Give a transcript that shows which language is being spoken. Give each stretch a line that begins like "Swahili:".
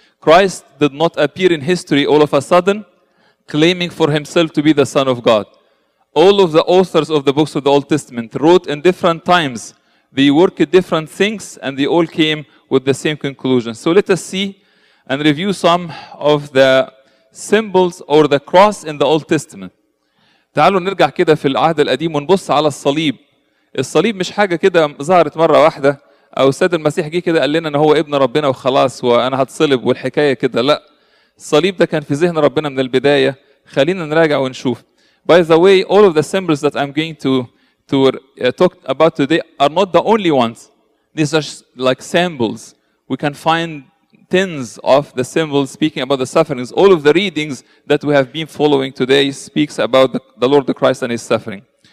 English: Christ did not appear in history all of a sudden, claiming for himself to be the Son of God. All of the authors of the books of the Old Testament wrote in different times. They worked different things, and they all came with the same conclusion. So let us see and review some of the symbols or the cross in the Old Testament.
Arabic: تعالوا نرجع كده في العهد القديم ونبص على الصليب. الصليب مش حاجة كده ظهرت مرة واحدة أو السيد المسيح جه كده قال لنا إن هو ابن ربنا وخلاص وأنا هتصلب والحكاية كده. لا. الصليب ده كان في ذهن ربنا من البداية. خلينا نراجع ونشوف.
English: By the way, all of the symbols that I'm going to talk about today are not the only ones. These are like samples. We can find tens of the symbols speaking about the sufferings. All of the readings that we have been following today speaks about the Lord Christ and his suffering.